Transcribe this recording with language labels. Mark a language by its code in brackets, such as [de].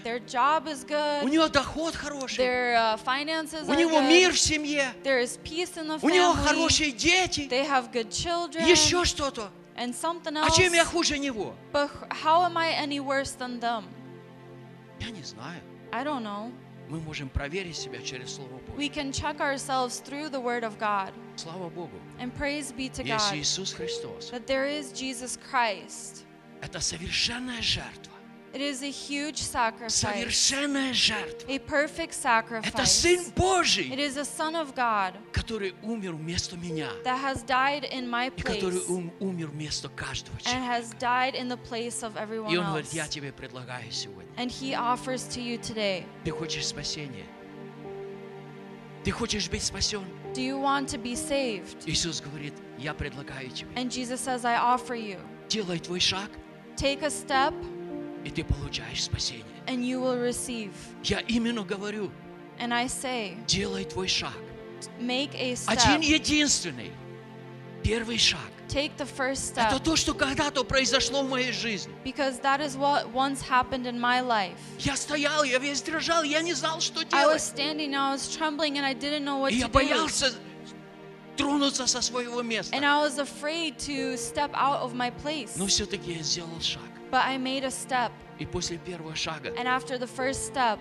[en] Their job is good. [ru] У него доход хороший. [en] Their finances [ru] у него [en] are good. [ru] Мир в семье. [en] There is peace in the family. [ru] У него хорошие дети. [en] They have good children. [ru] Еще что-то. [en] And something else. [ru] А чем я хуже него? [en] But how am I any worse than them? [ru] Я не знаю. [en] I don't know. [ru] Мы можем проверить себя через Слово Божье. [en] We can check ourselves through the Word of God. [ru] Слава Богу. [en] And praise be to [ru] Есть [en] God. [ru] Иисус Христос. [en] That there is Jesus Christ. [ru] Это совершенная жертва. [en] It is a huge sacrifice. [ru] Совершенная жертва. [en] A perfect sacrifice. [ru] Это Сын Божий. [en] It is a Son of God. [ru] Который умер вместо меня. [en] That has died in my place. [ru] И который умер вместо каждого человека. [en] And has died in the place of everyone else. [ru] И Он говорит, я тебе предлагаю сегодня. [en] And He offers to you today. [ru] Ты хочешь спасения? Ты хочешь быть спасен? [en] Do you want to be saved? [ru] Иисус говорит, я предлагаю тебе. [en] And Jesus says, I offer you. [ru] Делай твой шаг. [en] Take a step. [ru] И ты получаешь спасение. [en] And you will receive. [ru] Я именно говорю. [en] And I say. [ru] Делай твой шаг. [en] Make a step. [ru] Один единственный. Первый шаг. [en] Take the first step. [ru] Это то, что когда-то произошло в моей жизни. [en] Because that is what once happened in my life. [ru] Я стоял, я весь дрожал, я не знал, что делать. [en] I was standing, I was trembling, and I didn't know what to do. [ru] Я боялся тронуться со своего места. [en] And I was afraid to step out of my place. [ru] Но все-таки я сделал шаг. [en] But I made a step. [ru] И после первого шага. [en] And after the first step.